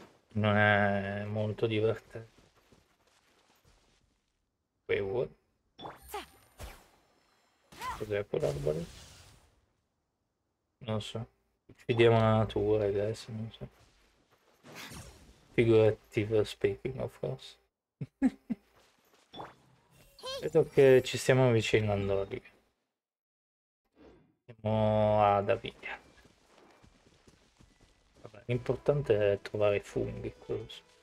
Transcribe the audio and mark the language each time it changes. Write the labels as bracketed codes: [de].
[it] Non è molto divertente. [en] Wait, what? [it] Cos'è quell'albero? Non so. Uccidiamo la natura adesso, non so. [en] Figurative speaking, of course. [it] Vedo che ci stiamo avvicinando lì. Siamo a Davidia. L'importante è trovare i funghi, quello so.